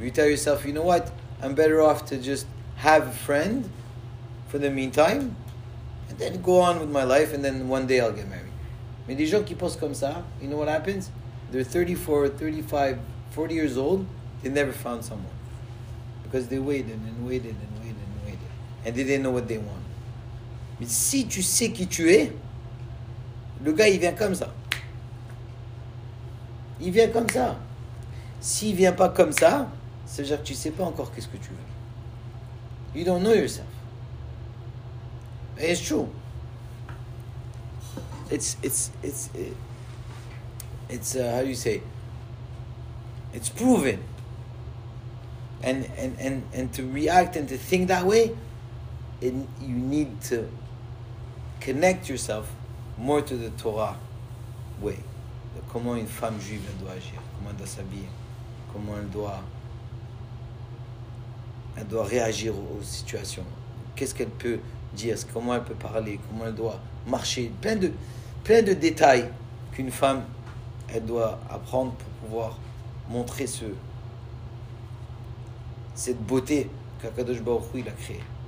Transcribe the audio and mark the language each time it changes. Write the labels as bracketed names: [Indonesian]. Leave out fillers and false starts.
[English] You tell yourself, you know what, I'm better off to just have a friend for the meantime and then go on with my life, and then one day I'll get married. [French] Mais des gens qui pensent comme ça, [English] you know what happens? They're 34, 35, 40 years old, they never found someone. Because they waited and waited and waited and waited. And they didn't know what they want. [French] Mais si tu sais qui tu es, le gars il vient comme ça. Il vient comme ça. S'il vient pas comme ça, ça veut dire que tu sais pas encore qu'est-ce que tu veux. [English] You don't know yourself. And it's true. It's proven. And to react and to think that way, you need to connect yourself more to the Torah way. [French] Comment une femme juive doit agir, comment elle doit s'habiller, comment elle doit réagir aux situations, qu'est-ce qu'elle peut dire, comment elle peut parler, comment elle doit marcher, plein de détails qu'une femme elle doit apprendre pour pouvoir montrer cette beauté qu'Akadosh Baruch Hu il a créé.